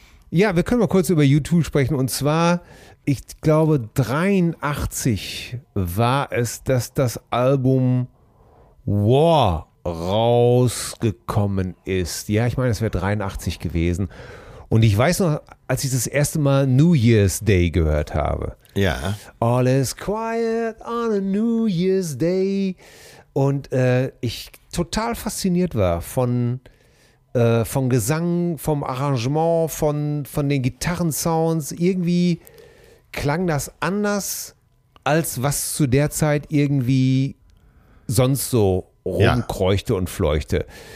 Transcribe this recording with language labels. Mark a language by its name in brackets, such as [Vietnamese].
[German] Ja, wir können mal kurz über U2 sprechen. Und zwar, ich glaube, 83 war es, dass das Album War rausgekommen ist. Ja, ich meine, es wäre 83 gewesen. Und ich weiß noch, als ich das erste Mal New Year's Day gehört habe. Ja. [English] All is quiet on a New Year's Day. [German] Und ich total fasziniert war von Gesang, vom Arrangement, von den Gitarrensounds. Irgendwie klang das anders, als was zu der Zeit irgendwie sonst so rumkreuchte und fleuchte.